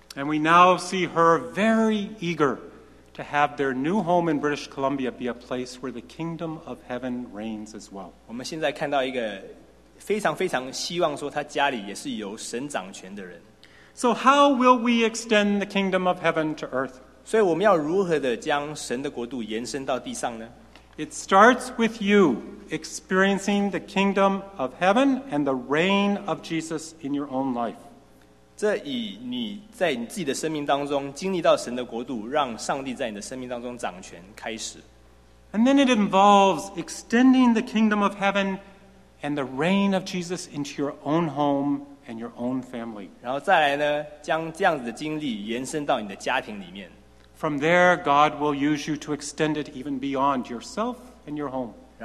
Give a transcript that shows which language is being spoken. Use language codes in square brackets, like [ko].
[en] And we now see her very eager to have their new home in British Columbia be a place where the kingdom of heaven reigns as well. [zh] 我们现在看到一个 非常非常希望说他家里也是有神掌权的人。 [en] So how will we extend the kingdom of heaven to earth? [zh] 所以我们要如何的将神的国度延伸到地上呢? [en] It starts with you experiencing the kingdom of heaven and the reign of Jesus in your own life. [zh] 这以你在你自己的生命当中经历到神的国度，让上帝在你的生命当中掌权开始。 [en] And then it involves extending the kingdom of heaven and the reign of Jesus into your own home and your own family. [zh] 然后再来呢，将这样子的经历延伸到你的家庭里面。 [en] From there, God will use you to extend it even beyond yourself and your home.